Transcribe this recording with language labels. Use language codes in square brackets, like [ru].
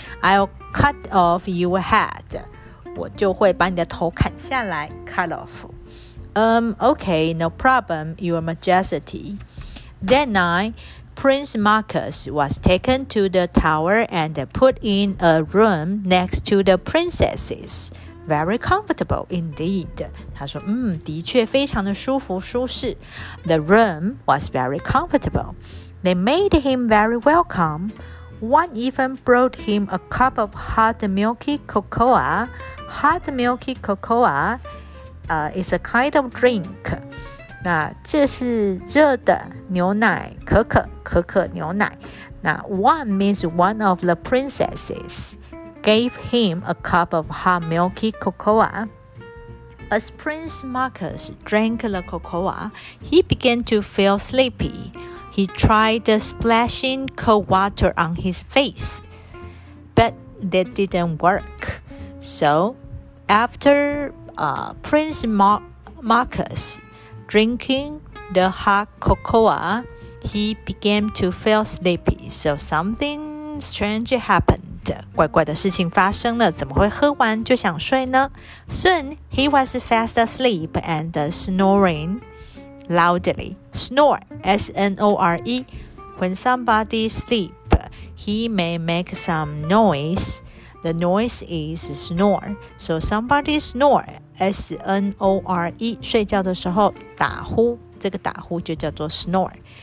[en] I'll cut off your head. [zh] 我就会把你的头砍下来 [en] ,cut off. Okay, no problem, your majesty. That night,Prince Marcus was taken to the tower and put in a room next to the princesses. Very comfortable indeed. [zh] 他说，的确非常的舒服舒适。 [en] The room was very comfortable. They made him very welcome. One even brought him a cup of hot milky cocoa. Hot milky cocoa, is a kind of drink. [zh] 那这是热的牛奶，可可，可可牛奶。 [en] 那 one means one of the princesses gave him a cup of hot milky cocoa. As Prince Marcus drank the cocoa, he began to feel sleepy. He tried splashing cold water on his face, but that didn't work. So after Prince Marcus,drinking the hot cocoa, he began to feel sleepy. So something strange happened. [zh] 怪怪的事情发生了，怎么会喝完就想睡呢？ [en] Soon, he was fast asleep and snoring loudly. Snore, S-N-O-R-E. When somebody sleeps, he may make some noise. The noise is snore. So somebody snoreSNORE, [zh] 睡觉的时候打呼，这个打呼就叫做 [en] snore.